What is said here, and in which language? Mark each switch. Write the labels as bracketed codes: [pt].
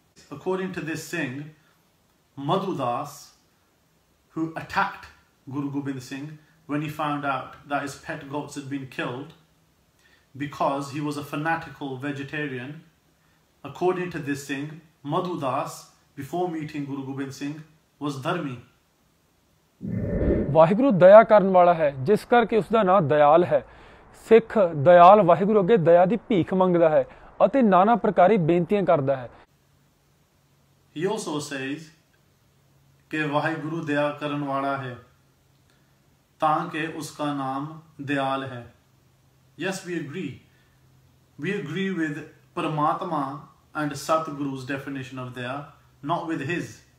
[en] According to this Singh, Madhudas, who attacked Guru Gobind Singh when he found out that his pet goats had been killed because he was a fanatical vegetarian, according to this Singh, Madhudas, before meeting Guru Gobind Singh, was dharmi. [pa] Waheguru ਦਇਆ ਕਰਨ ਵਾਲਾ ਹੈ ਜਿਸ ਕਰਕੇ ਉਸਦਾ ਨਾਂ ਦਇਆਲ ਹੈ ਸਿੱਖ ਦਇਆਲ ਵਾਹਿਗੁਰੂ ਅੱਗੇ ਦਇਆ ਦੀ ਭੀਖ ਮੰਗਦਾ ਹੈ ਅਤੇ ਨਾਨਾ ਪ੍ਰਕਾਰੀ ਬੇਨਤੀਆਂ ਕਰਦਾ ਹੈ [en] He also says [pa] ਕਿ ਵਾਹਿਗੁਰੂ ਦਇਆ ਕਰਨ ਵਾਲਾ ਹੈ ਤਾਂ ਕਿ ਉਸਦਾ ਨਾਮ ਦਇਆਲ ਹੈ [en] Yes, we agree with Paramatma and Satguru's definition of Daya, not with his.